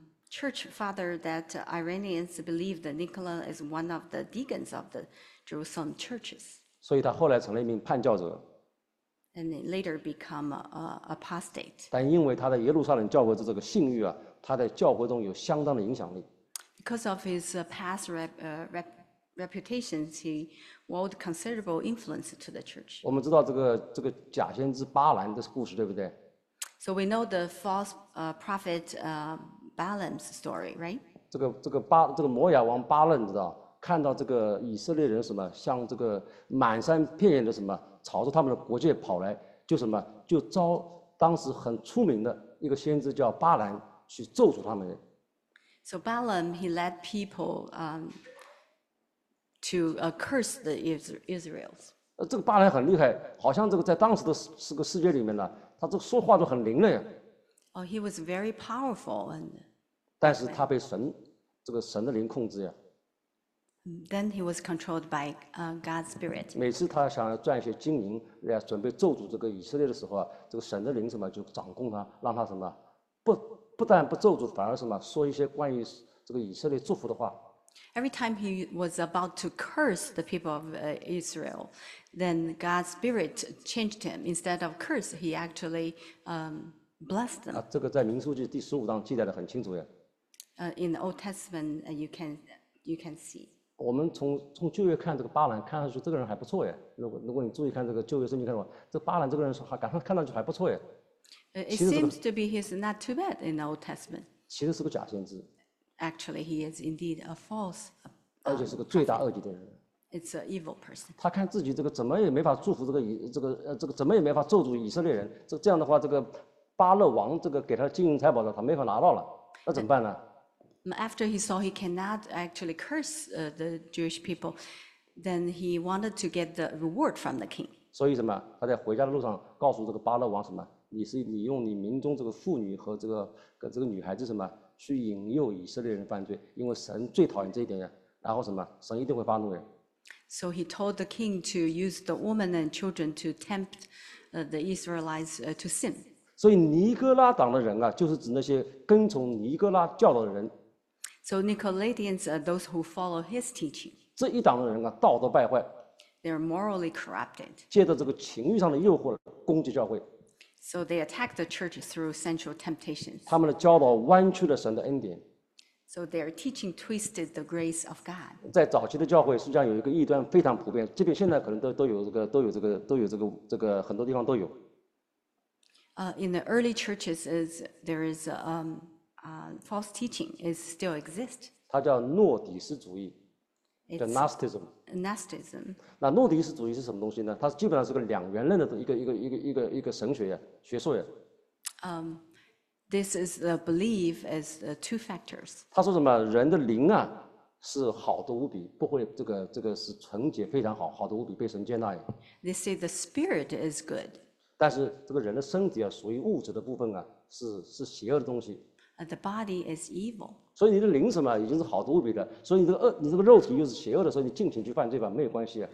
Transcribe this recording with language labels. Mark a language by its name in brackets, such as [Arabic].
[English] Church Father that Irenaeus believed that Nicola is one of the deacons of the Jerusalem churches. [Chinese] 所以他后来成了一名叛教者 [English] ，and later become a apostate. [Chinese] 但因为他在耶路撒冷教会的这个信誉啊，他在教会中有相当的影响力。 [English] Because of his past reputations, he wield considerable influence to the church. [Chinese] 我们知道这个假先知巴兰的故事，对不对 [English] ？So we know the false prophet Balaam's story, right? [Chinese] 这个摩押王巴兰，知道看到这个以色列人什么，像这个满山遍野的什么，朝着他们的国界跑来，就什么就招当时很出名的一个先知叫巴兰去咒诅他们。 [English] So Balaam, he led people to curse the Israelites. [Chinese] 这个巴兰很厉害，好像这个在当时的这个世界里面呢，他这个说话都很灵了呀。 [English] Oh, he was very powerful. [Chinese] 但是他被神这个神的灵控制呀。 [English] Then he was controlled by God's spirit. [Chinese] 每次他想要赚一些金银来准备咒诅这个以色列的时候啊，这个神的灵什么就掌控他，让他什么不但不咒诅，反而什么说一些关于这个以色列祝福的话。 [English] Every time he was about to curse the people of Israel, then God's spirit changed him. Instead of curse, he actually blessed them. [Chinese] 这个在民数记第十五章记载的很清楚呀。 [English] In the Old Testament, you can see. [Chinese] 我们从旧约看这个巴兰，看上去这个人还不错呀。如果你注意看这个旧约圣经看的话，这巴兰这个人说还看上去还不错呀。 [English] It seems to be he's not too bad in the Old Testament. [Chinese] 其实是个假先知。 [English] Actually, he is indeed a false. [Chinese] 而且是个罪大恶极的人。 [English] It's an evil person. [Chinese] 他看自己这个怎么也没法祝福这个怎么也没法咒诅以色列人。这样的话，这个巴勒王这个给他金银财宝的，他没法拿到了，那怎么办呢 [English] ？After he saw he cannot actually curse the Jewish people, then he wanted to get the reward from the king. [Chinese] 所以什么？他在回家的路上告诉这个巴勒王什么？你用你民中这个妇女和这个女孩子什么？去引诱以色列人犯罪，因为神最讨厌这一点呀。然后什么？神一定会发怒的。 [English] So he told the king to use the woman and children to tempt the Israelites to sin. [Chinese] 所以尼哥拉党的人啊，就是指那些跟从尼哥拉教导的人。 [English] So Nicolaitans are those who follow his teaching. [Chinese] 这一党的人啊，道德败坏。 [English] They are morally corrupted. [Chinese] 借着这个情欲上的诱惑攻击教会。 [English] So they attack the church through sensual temptations. [Chinese] 他们的教导弯曲了神的恩典。 [English] So their teaching twisted the grace of God. [Chinese] 在早期的教会，实际上有一个异端非常普遍，即便现在可能都有这个很多地方都有。 [English] In the early churches, there is false teaching is still exist. [Chinese] 它叫诺底斯主义 ，the Gnosticism。 [English] Gnosticism. [Chinese] 那诺底斯主义是什么东西呢？它基本上是个两元论的一个神学呀，学说呀。 [English] This is the belief as the two factors. [Chinese] 他说什么？人的灵啊，是好的无比，不会这个是纯洁非常好，好的无比，被神接纳耶。 [English] They say the spirit is good. [Chinese] 但是这个人的身体啊，属于物质的部分啊，是邪恶的东西。 [English] The body is evil. [Chinese] 所以你的灵什么已经是好的无比的，所以你这个肉体又是邪恶的，所以你尽情去犯罪吧，没有关系。